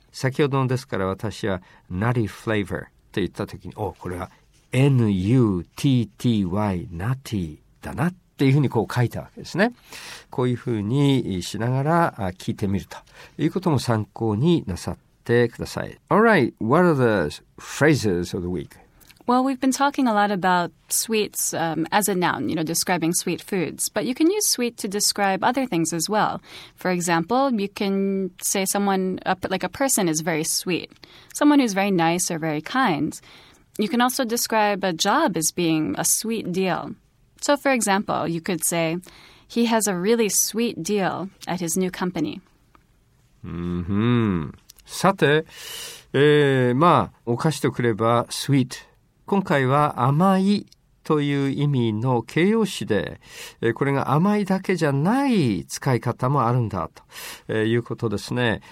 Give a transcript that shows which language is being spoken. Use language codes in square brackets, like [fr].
[ja] 先ほどのですから、私は nutty flavor と言った時に、お、これは nutty nutty だなっていうふうにこう書いたわけですね。こういうふうにしながら聞いてみるということも参考になさってください。 [en] All right, what are the phrases of the week? Well, we've been talking a lot about sweets as a noun, you know, describing sweet foods. But you can use sweet to describe other things as well. For example, you can say someone, like a person is very sweet. Someone who's very nice or very kind. You can also describe a job as being a sweet deal. So, for example, you could say, he has a really sweet deal at his new company. Mm-hmm. [ja] さて、まあお菓子とくれば sweet、 今回は甘いという意味の形容詞で、これが甘いだけじゃない使い方もあるんだと、いうことですね。